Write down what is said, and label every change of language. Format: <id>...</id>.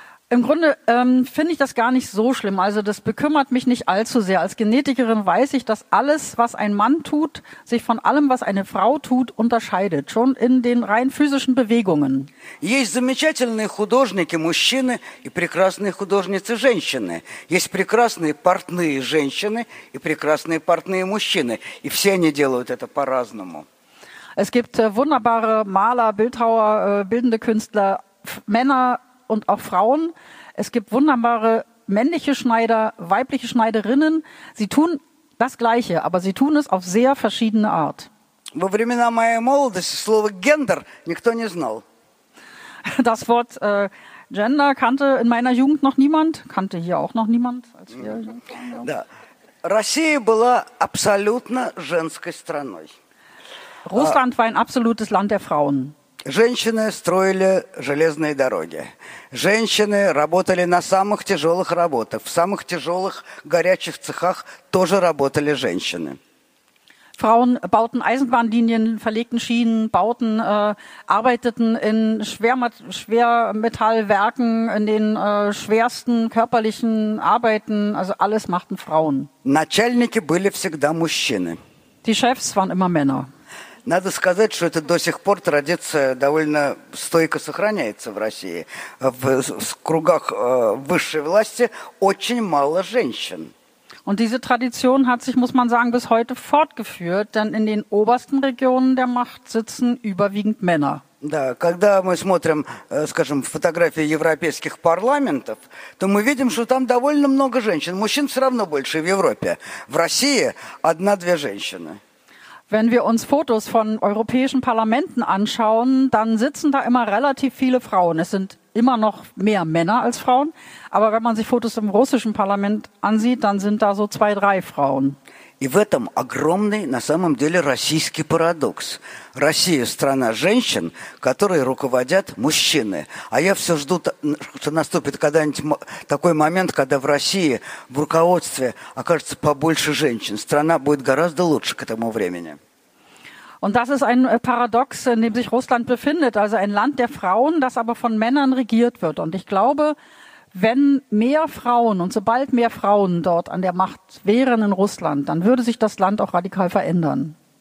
<de>Im Grunde finde ich das gar nicht so schlimm. Also das bekümmert mich nicht allzu sehr. Als Genetikerin weiß ich, dass alles, was ein Mann tut, sich von allem, was eine Frau tut, unterscheidet. Schon in den rein physischen Bewegungen.</de> <ru>Есть замечательные художники мужчины и прекрасные художницы женщины. Есть прекрасные портные женщины и прекрасные портные мужчины. И все они делают это по-разному.</ru> <de>Es gibt wunderbare Maler, Bildhauer, bildende Künstler, Männer und auch Frauen. Es gibt wunderbare männliche Schneider, weibliche Schneiderinnen. Sie tun das Gleiche, aber sie tun es auf sehr verschiedene Art.</de> <ru>Во времена моей молодости слово «гендер» никто не знал.</ru> <de>Das Wort «gender» kannte in meiner Jugend noch niemand, kannte hier auch noch niemand. Als wir</de> <ru>Да. Россия была абсолютно женской страной.</ru> <de>Russland war ein absolutes Land der Frauen.</de> <ru>Женщины строили железные дороги. Женщины работали на самых тяжелых работах. В самых тяжелых горячих цехах тоже работали женщины.</ru> <de>Frauen bauten Eisenbahnlinien, verlegten Schienen, bauten, arbeiteten in Schwermetallwerken, in den schwersten körperlichen Arbeiten, also alles machten Frauen.</de> <ru>Начальники были всегда мужчины.</ru> <de>Die Chefs waren immer Männer.</de> <ru>Надо сказать, что это до сих пор традиция довольно стойко сохраняется в России. В кругах высшей власти очень мало женщин.</ru> <de>Und diese Tradition hat sich, muss man sagen, bis heute fortgeführt, denn in den obersten Regionen der Macht sitzen überwiegend Männer.</de> <ru>Да, когда мы смотрим, скажем, фотографии европейских парламентов, то мы видим, что там довольно много женщин. Мужчин все равно больше в Европе. В России одна-две женщины.</ru> <de>Wenn wir uns Fotos von europäischen Parlamenten anschauen, dann sitzen da immer relativ viele Frauen. Es sind immer noch mehr Männer als Frauen. Aber wenn man sich Fotos im russischen Parlament ansieht, dann sind da so zwei, drei Frauen.</de> <ru>И в этом огромный, на самом деле, российский парадокс. Россия – страна женщин, которые руководят мужчины. А я все жду, что наступит когда-нибудь такой момент, когда в России в руководстве окажется побольше женщин. Страна будет гораздо лучше к этому времени.</ru> <de>Und das ist ein Paradox, in dem sich Russland befindet. Also ein Land der Frauen, das aber von Männern regiert wird. Und ich glaube, wenn mehr Frauen und sobald mehr Frauen dort an der Macht wären in Russland, dann würde sich das Land auch radikal verändern.</de>